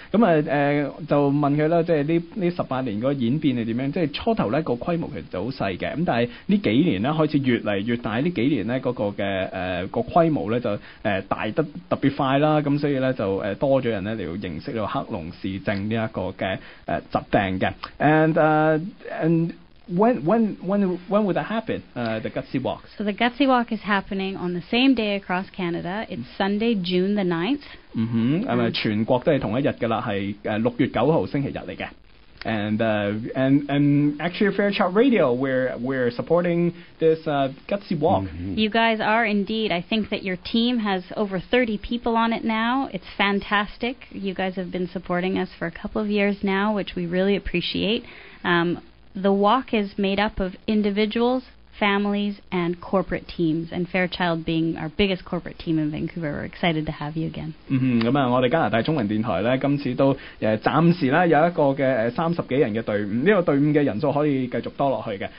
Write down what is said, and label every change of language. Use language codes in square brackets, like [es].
[yue] 咁就問佢啦，即係呢18年個演變係點樣？即係初頭咧個規模其實就好細嘅，咁但係呢幾年咧開始越嚟越大，呢幾年咧嗰個嘅個規模咧就大得特別快啦。咁所以咧就多咗人咧嚟到認識呢個黑龍氏症呢一個嘅疾病嘅。 [en] And when would that happen, the Gutsy Walk? So the Gutsy Walk is happening on the same day across Canada. It's Sunday, June the 9th. [yue] 嗯哼，咁全國都係同一日噶啦，係6月9日星期日嚟嘅。 [en] And actually, Fairchild Radio, we're supporting this Gutsy Walk. Mm-hmm. You guys are indeed. I think that your team has over 30 people on it now. It's fantastic. You guys have been supporting us for a couple of years now, which we really appreciate. The walk is made up of individuals, families, and corporate teams, and Fairchild being our biggest corporate team in Vancouver. We're excited to have you again. [yue] 嗯哼，咁啊，我哋加拿大中文电台咧，今次都暂时咧有一个嘅30几人嘅队伍，这个队伍嘅人数可以继续多落去嘅。